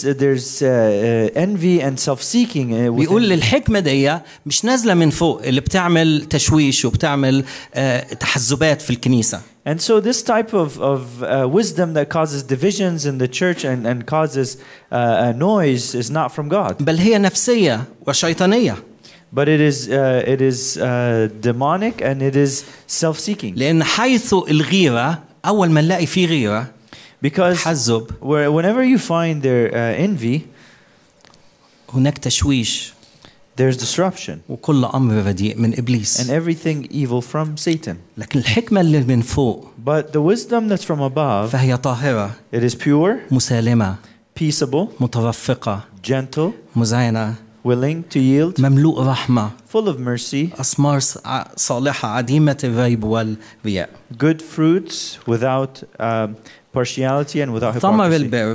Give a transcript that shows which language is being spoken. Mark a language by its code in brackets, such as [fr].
[en] There's envy and self-seeking. [ar] بيقول الحكمة دي مش نازلة من فوق اللي بتعمل تشويش وبتعمل تحزبات في الكنيسة. [en] And so this type of wisdom that causes divisions in the church and causes a noise is not from God. [ar] بل هي نفسية وشيطانية. [en] But it is demonic and it is self-seeking. [ar] لأن حيث الغيرة أول ما نلاقي في غيرة. [en] Because [ar] تحزب, [en] whenever you find their envy, [ar] هناك تشويش. [en] There's disruption. [ar] وكل أمر بديء من إبليس. [en] And everything evil from Satan. [ar] لكن الحكمة اللي من فوق. [en] But the wisdom that's from above. [ar] فهي طاهرة. [en] It is pure. [ar] مسالمة. [en] Peaceable. [ar] مترفقة. [en] Gentle. [ar] مزينة. [en] Willing to yield. [ar] مملوء رحمة. [en] Full of mercy. [ar] أثمار صالحة عديمة الريب والرياء. [en] Good fruits without partiality and without hypocrisy.